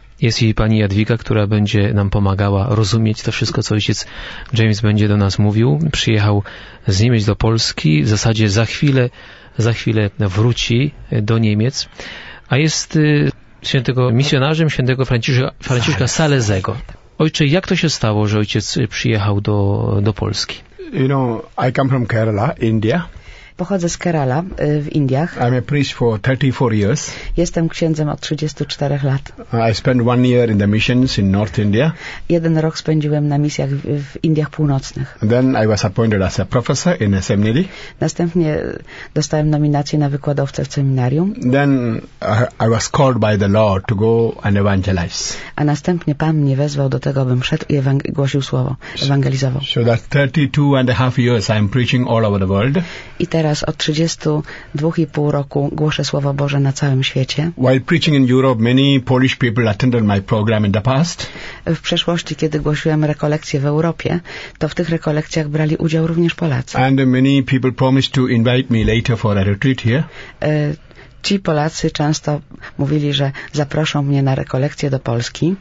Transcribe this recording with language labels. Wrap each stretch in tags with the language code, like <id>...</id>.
<pl>Jest i pani Jadwiga, która będzie nam pomagała rozumieć to wszystko, co ojciec James będzie do nas mówił. Przyjechał z Niemiec do Polski. W zasadzie za chwilę wróci do Niemiec. A jest świętego misjonarzem, świętego Franciszka Salezego. Ojcze, jak to się stało, że ojciec przyjechał do Polski?</pl> <en>You know, I come from Kerala, India.</en> <pl>Pochodzę z Kerala w Indiach.</pl> <en>I'm a priest for 34 years.</en> <pl>Jestem księdzem od 34 lat.</pl> <en>I spent 1 year in the missions in North India.</en> <pl>Jeden rok spędziłem na misjach w Indiach Północnych.</pl> <en>Then I was appointed as a professor in a seminary.</en> <pl>Następnie dostałem nominację na wykładowcę w seminarium.</pl> <en>Then I was called by the Lord to go and evangelize.</en> <pl>A następnie Pan mnie wezwał do tego, abym szedł i głosił słowo, ewangelizował.</pl> <en>So that 32.5 years I'm preaching all over the world.</en> <pl>Teraz od 32 i pół roku głoszę Słowo Boże na całym świecie.</pl> <en>While preaching in Europe, many Polish people attended my program in the past.</en> <pl>W przeszłości, kiedy głosiłem rekolekcje w Europie, to w tych rekolekcjach brali udział również Polacy.</pl> <en>And many people promised to invite me later for a retreat here.</en> <pl>Ci Polacy często mówili, że zaproszą mnie na rekolekcje do Polski.</pl>